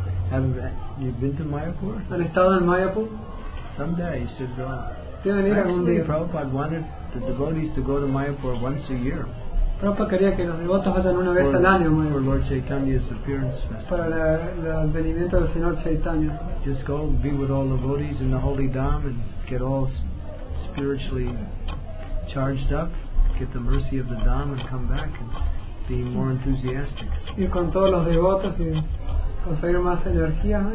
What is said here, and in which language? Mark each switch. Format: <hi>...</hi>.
<en>Have you been to Mayapur?</en> <es>¿Han estado en Mayapur?</es> <en>Someday you should go.</en> <es>Deben ir</es> <en>actually,</en> <es>algún día.</es> <en>Prabhupada wanted the devotees to go to Mayapur once a year.</en> <es>Prabhupada quería que los devotos vayan una vez al año a</es> <en>Mayapur. Lord Chaitanya's appearance festival.</en> <es>Para el advenimiento del Señor Chaitanya.</es> <en>Just go and be with all the devotees in the holy dham and get all spiritually charged up, get the mercy of the dham and come back and be more enthusiastic.</en> <es>Ir con todos los devotos y conseguir más energía, ¿no?</es>